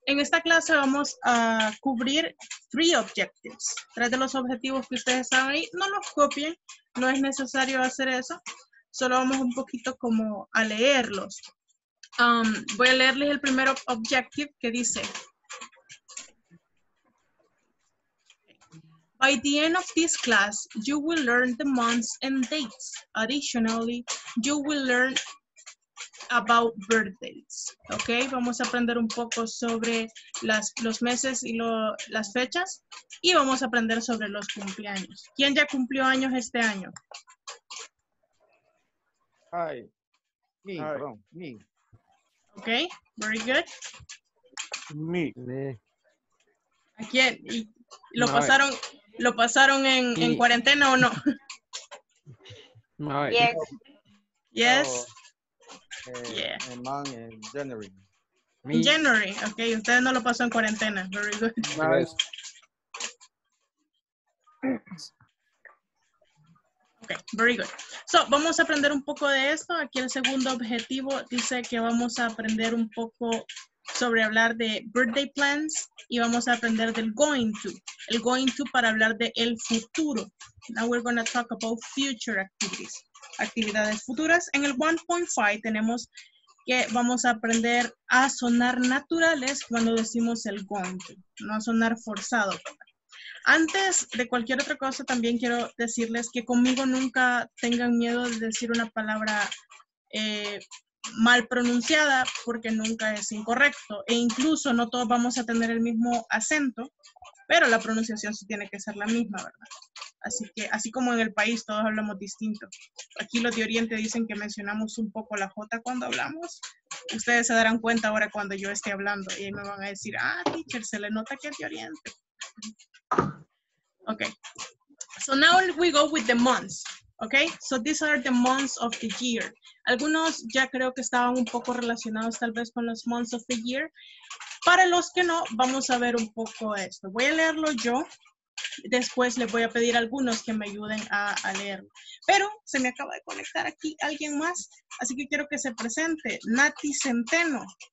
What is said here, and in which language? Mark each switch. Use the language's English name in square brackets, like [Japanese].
[Spanish] En esta clase vamos a cubrir 3 objectives. 3 de los objetivos que ustedes saben ahí. No los copien, no es necesario hacer eso. Solo vamos un poquito como a leerlos. Voy a leerles el primer objective que dice, [English] By the end of this class, you will learn the months and dates. Additionally, you will learn about birthdays. [Spanish] Okay, vamos a aprender un poco sobre los meses y las fechas. Y vamos a aprender sobre los cumpleaños. ¿Quién ya cumplió años este año? [English] Hi. Me, [Spanish] perdón, [English] me. Okay, very good. Me. [Spanish] ¿A quién? ¿Lo pasaron en cuarentena o no? [English] My. Yes. Yes. In January. Me. January, okay. [Spanish] Ustedes no lo pasó en cuarentena. [English] Very good. Nice. Okay, very good. So, [Spanish] vamos a aprender un poco de esto. Aquí el segundo objetivo dice que vamos a aprender un poco sobre hablar de birthday plans y vamos a aprender del going to. El going to para hablar de el futuro. [English] Now we're going to talk about future activities. [Spanish] Actividades futuras. En el 1.5 tenemos que vamos a aprender a sonar naturales cuando decimos el going to, no a sonar forzado. Antes de cualquier otra cosa, también quiero decirles que conmigo nunca tengan miedo de decir una palabra mal pronunciada, porque nunca es incorrecto. E incluso no todos vamos a tener el mismo acento, pero la pronunciación sí tiene que ser la misma, ¿verdad? Así que, así como en el país, todos hablamos distinto. Aquí los de Oriente dicen que mencionamos un poco la J cuando hablamos. Ustedes se darán cuenta ahora cuando yo esté hablando. Y me van a decir, ah, teacher, se le nota que es de Oriente. Ok. [English] So now we go with the months. Ok. So these are the months of the year. [Spanish] Algunos ya creo que estaban un poco relacionados tal vez con los [English] months of the year. [Spanish] Para los que no, vamos a ver un poco esto. Voy a leerlo yo. Después le voy a pedir a algunos que me ayuden a leerlo. Pero se me acaba de conectar aquí alguien más, así que quiero que se presente. Nati Centeno.